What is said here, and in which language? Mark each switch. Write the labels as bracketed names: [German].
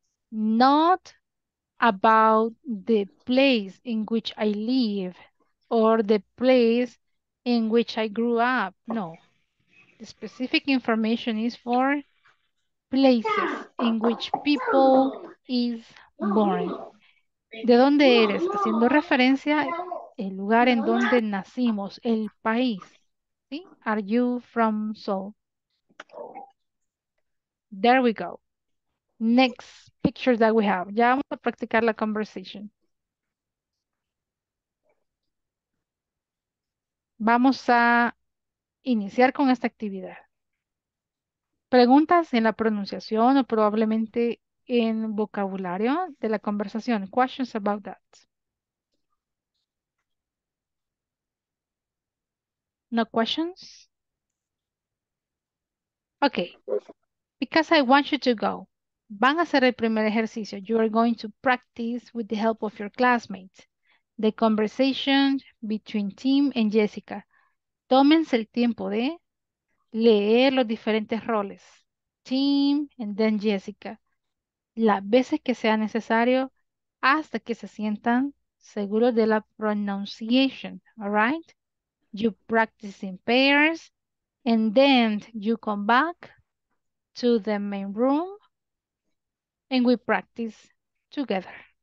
[English] Not about the place in which I live or the place in which I grew up. No. The specific information is for places in which people is born. [Spanish] ¿De dónde eres? Haciendo referencia el lugar en donde nacimos, el país. [English] ¿Sí? Are you from Seoul? There we go. Next picture that we have. [Spanish] Ya vamos a practicar la conversation. Vamos a iniciar con esta actividad. Preguntas en la pronunciación o probablemente en vocabulario de la conversación. [English] Questions about that. No questions? Okay. Because I want you to go. [Spanish] Van a hacer el primer ejercicio. [English] You are going to practice with the help of your classmates. The conversation between Tim and Jessica. [Spanish] Tómense el tiempo de leer los diferentes roles. [English] Tim and then Jessica. [Spanish] Las veces que sea necesario hasta que se sientan seguros de la pronunciation. [English] All right? You practice in pairs and then you come back to the main room and we practice together.